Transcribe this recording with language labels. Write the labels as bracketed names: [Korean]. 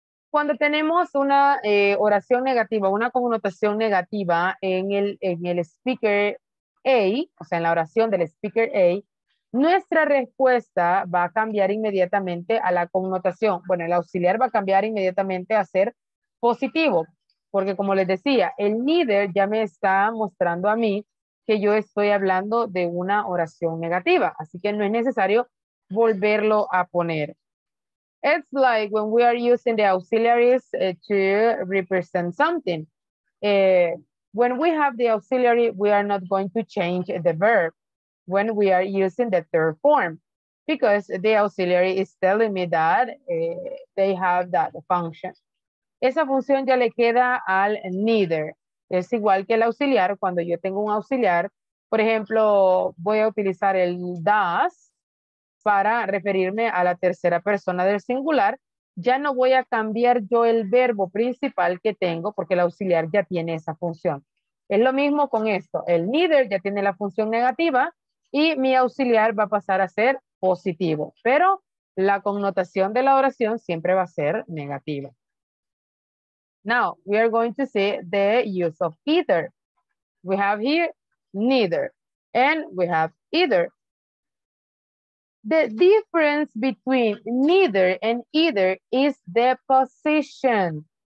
[Spanish] Cuando tenemos una oración negativa, una connotación negativa en el speaker A, o sea, en la oración del speaker A, nuestra respuesta va a cambiar inmediatamente a la connotación. Bueno, el auxiliar va a cambiar inmediatamente a ser positivo, porque como les decía, el neither ya me está mostrando a mí que yo estoy hablando de una oración negativa, así que no es necesario volverlo a poner. [English] It's like when we are using the auxiliaries to represent something. When we have the auxiliary, we are not going to change the verb when we are using the third form, because the auxiliary is telling me that they have that function. [Spanish] Esa función ya le queda al neither. Es igual que el auxiliar. Cuando yo tengo un auxiliar, por ejemplo, voy a utilizar el does para referirme a la tercera persona del singular, ya no voy a cambiar yo el verbo principal que tengo porque el auxiliar ya tiene esa función. Es lo mismo con esto. El neither ya tiene la función negativa y mi auxiliar va a pasar a ser positivo, pero la connotación de la oración siempre va a ser negativa. [English] Now, we are going to see the use of either. We have here neither, and we have either. The difference between neither and either is the position.